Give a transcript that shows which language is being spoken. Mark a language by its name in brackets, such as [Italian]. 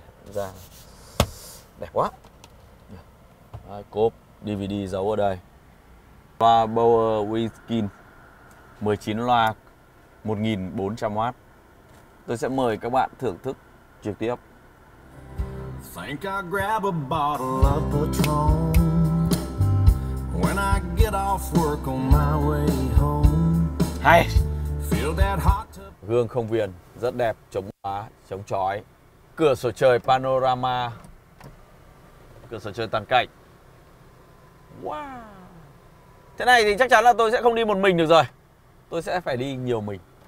[Vietnamese] Da đẹp quá. Đấy, cốp DVD giấu ở đây. Loa Bower Wiskin 19 loa 1400W. Tôi sẽ mời các bạn thưởng thức trực tiếp. [English] Think I grab a bottle of Patron when I get off work on my way home. Hay. Feel that hot tub. [Vietnamese] Gương không viền rất đẹp, chống lóa, chống chói. Cửa sổ trời panorama. Cửa sổ trời toàn cảnh. Wow. Thế này thì chắc chắn là tôi sẽ không đi một mình được rồi. Tôi sẽ phải đi nhiều mình.